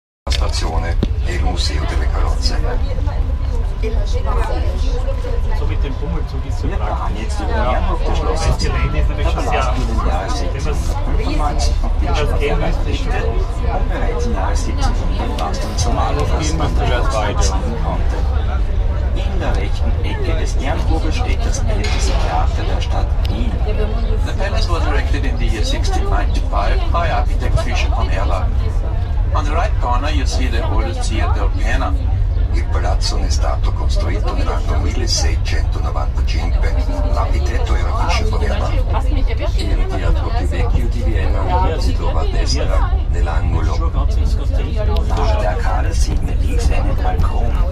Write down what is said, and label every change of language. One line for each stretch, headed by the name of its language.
Italian: stazione e il museo delle carrozze.
German: In der rechten Ecke des Ehrenhofes steht das älteste Theater der Stadt Wien.
English: The palace was erected in the year 1695 by architect Fischer von Erlangen. On the right corner you see the oldest theater of Vienna.
Italian: Il palazzo è stato costruito nell'anno 1695. L'architetto era Fischer von Erlangen. Il teatro più vecchio di Vienna si trova a destra, nell'angolo.
German: Der Karl sieht mit links einen Balkon.